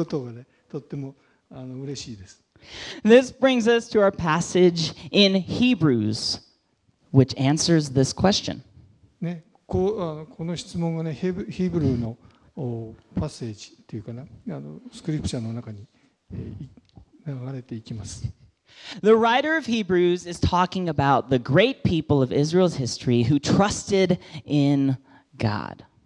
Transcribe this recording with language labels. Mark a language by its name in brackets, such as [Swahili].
[Japanese] そうね、みんながね、質問してくれることがね、とっても嬉しいです。 [English] This brings us to our passage in Hebrews, which answers this question. [Japanese] ね、この質問がね、ヒブルのパッセージっていうかな、スクリプチャーの中に流れていきます。 [English] The writer of Hebrews is talking about the great people of Israel's history who trusted in God.